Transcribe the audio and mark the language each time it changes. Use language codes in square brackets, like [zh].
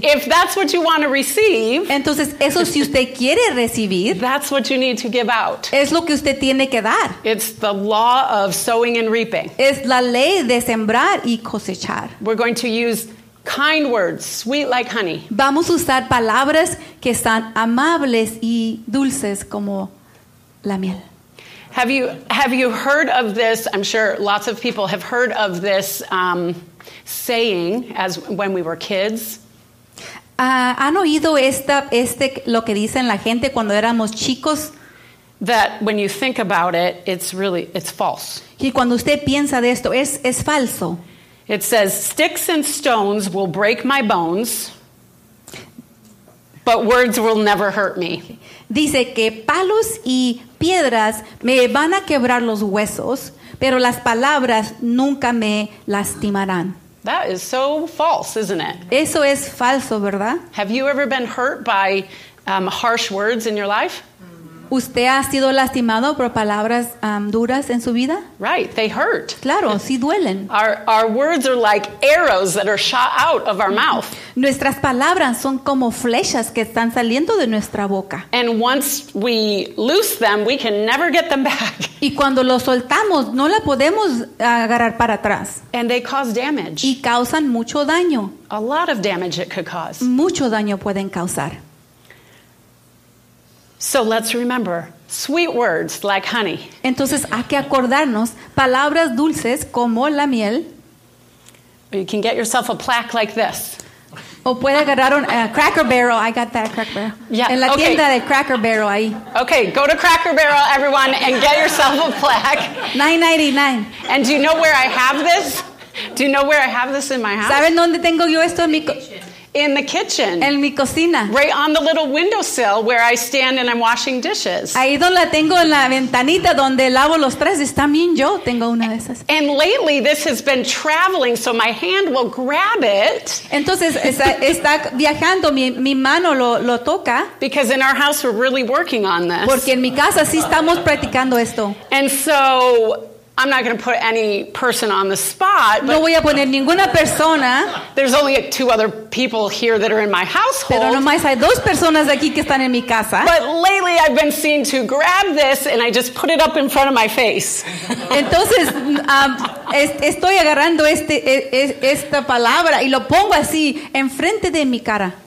[en] So, if that's what you want to receive, [es] entonces eso si usted quiere recibir, [en] that's what you need to give out. [es] Es lo que usted tiene que dar. [en] It's the law of sowing and reaping. [es] Es la ley de sembrar y cosechar. [en] We're going to use kind words, sweet like honey. [es] Vamos a usar palabras que están amables y dulces como la miel. [en] Have you heard of this? I'm sure lots of people have heard of this saying as when we were kids. [es] ¿Han oído este lo que dicen la gente cuando éramos chicos? [en] That when you think about it, it's false. [es] Y cuando usted piensa de esto, es falso. [en] It says sticks and stones will break my bones, but words will never hurt me. [es] Dice que palos y piedras me van a quebrar los huesos, pero las palabras nunca me lastimarán. [en] That is so false, isn't it? [es] Eso es falso, ¿verdad? [en] Have you ever been hurt by harsh words in your life? [es] ¿Usted ha sido lastimado por palabras duras en su vida? [en] Right, they hurt. [es] Claro, sí duelen. [en] Our words are like arrows that are shot out of our mouth. [es] Nuestras palabras son como flechas que están saliendo de nuestra boca. [en] And once we lose them, we can never get them back. [es] Y cuando lo soltamos, no la podemos agarrar para atrás. [en] And they cause damage. [es] Y causan mucho daño. [en] A lot of damage it could cause. [es] Mucho daño pueden causar. [en] So let's remember, sweet words like honey. [es] Entonces hay que acordarnos, palabras dulces como la miel. [en] You can get yourself a plaque like this. [es] O puede agarrar un Cracker Barrel. [en] I got that Cracker Barrel. Yeah, [es] en la tienda de Cracker Barrel ahí. [en] Okay, go to Cracker Barrel, everyone, and get yourself a plaque. $9.99. And do you know where I have this? Do you know where I have this in my house? [es] ¿Saben dónde tengo yo esto en mi [en] In the kitchen. [es] En mi cocina. [en] Right on the little windowsill where I stand and I'm washing dishes. [es] Ahí donde la tengo en la ventanita donde lavo los trastes, también yo tengo una de esas. [en] And lately this has been traveling, so my hand will grab it. [es] Entonces está viajando, mi mano lo toca. [en] Because in our house we're really working on this. [es] Porque en mi casa sí estamos practicando esto. [en] And so I'm not going to put any person on the spot. [es] No voy a poner ninguna persona. [en] There's only two other people here that are in my household. [es] Pero nomás hay dos personas aquí que están en mi casa. [en] But lately I've been seen to grab this and I just put it up in front of my face. [es] Entonces, estoy agarrando esta palabra y lo pongo así enfrente de mi cara.